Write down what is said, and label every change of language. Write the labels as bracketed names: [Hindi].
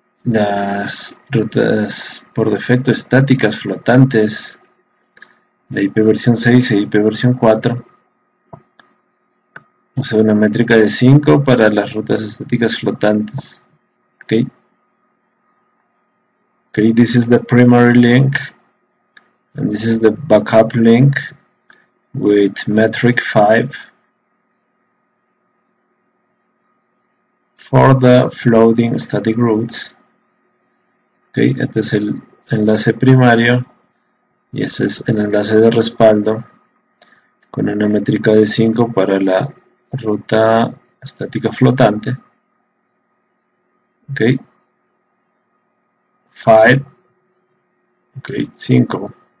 [Spanish] Las rutas por defecto estáticas flotantes, la IP versión 6 e IP versión 4. O sea, una métrica de 5 para las rutas estáticas flotantes. Ok. [English] Okay, this is the primary link and this is the backup link with metric 5 for the floating static routes. [Spanish] Okay, este es el enlace primario y ese es el enlace de respaldo con una métrica de 5 para la ruta estática flotante. [English] Okay. 5, okay, 5.